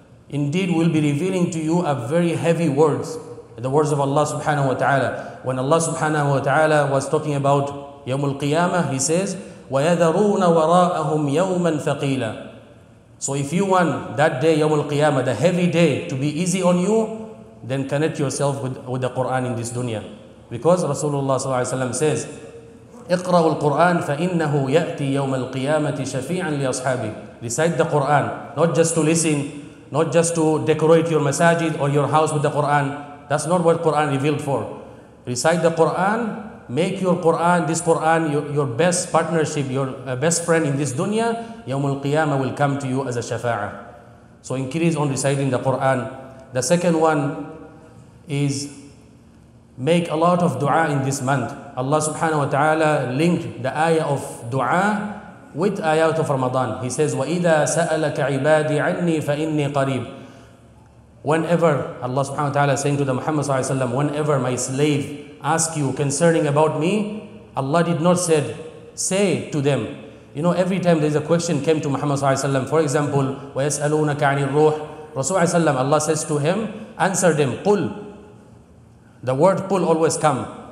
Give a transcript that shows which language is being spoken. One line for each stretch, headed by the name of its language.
English: Indeed, we'll be revealing to you a very heavy words, the words of Allah subhanahu wa ta'ala. When Allah subhanahu wa ta'ala was talking about Yawmul Qiyamah, he says,
Arabic: وَيَذَرُونَ وَرَاءَهُمْ يَوْمًا ثَقِيلًا.
English: So if you want that day, Yawmul Qiyamah, the heavy day, to be easy on you, then connect yourself with the Quran in this dunya. Because Rasulullah says,
Arabic: اقرأوا القرآن فإنه يأتي يوم القيامة شفيعا لأصحابه.
English: Recite the Quran, not just to listen, not just to decorate your masajid or your house with the Quran. That's not what Quran revealed for. Recite the Quran, make your Quran, this Quran, your best partnership, your best friend in this dunya. Yawmul Qiyamah will come to you as a shafa'ah. So increase on reciting the Quran. The second one is make a lot of dua in this month. Allah subhanahu wa ta'ala linked the ayah of dua with ayat of Ramadan. He says,
Arabic: وَإِذَا سَأَلَكَ عِبَادِي عَنِّي فَإِنِّي قَرِيبٌ.
English: Whenever, Allah subhanahu wa ta'ala saying to the Muhammad sallallahu alayhi wa sallam, whenever my slave ask you concerning about me, Allah did not said, say to them. You know, every time there's a question came to Muhammad sallallahu alayhi wa sallam, for example,
Arabic: وَيَسْأَلُونَكَ عَنِ الرُّوحِ.
English: Rasulullah sallallahu alayhi wa sallam, Allah says to him, answer them, قُلْ. The word قُلْ always come.